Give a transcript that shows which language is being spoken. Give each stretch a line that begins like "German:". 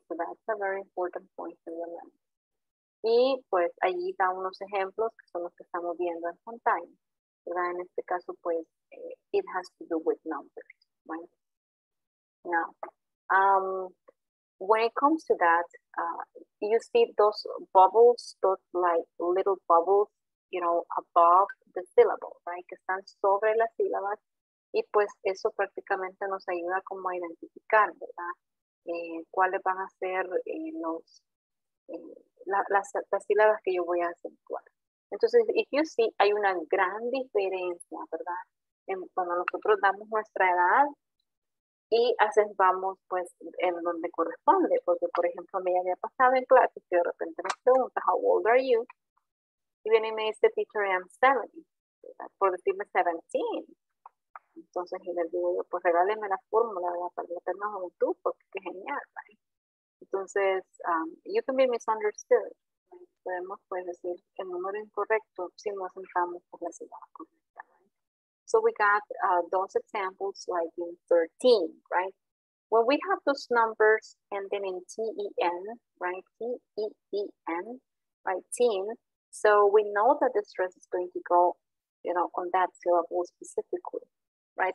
English: So that's a very important point to remember.
Spanish: Y, pues, allí da unos ejemplos que son los que estamos viendo en pantalla, ¿verdad? En este caso, pues,
English: it has to do with numbers, right? Now, when it comes to that, you see those bubbles, those like little bubbles, you know, above the syllable, right?
Spanish: Que están sobre las sílabas. Y pues eso prácticamente nos ayuda como a identificar, ¿verdad? ¿Cuáles van a ser las sílabas que yo voy a acentuar? Entonces,
English: if you see,
Spanish: hay una gran diferencia, ¿verdad? En cuando nosotros damos nuestra edad, y acentuamos, pues, en donde corresponde. Porque, por ejemplo, me había pasado en clase que de repente me pregunta,
English: how old are you?
Spanish: Y viene y me dice, teacher,
English: I'm 70.
Spanish: ¿Verdad? Por decirme 17. Entonces, y le digo yo, pues, regáleme la fórmula, ¿verdad? Para que tenga juventud, porque qué genial, ¿vale? Entonces,
English: you can be misunderstood.
Spanish: Podemos, pues, decir el número incorrecto si no acentuamos por la sílaba correcta.
English: So we got those examples like in 13, right? When we have those numbers ending in T-E-N, right? T-E-E-N, right? Teen. So we know that the stress is going to go, you know, on that syllable specifically, right?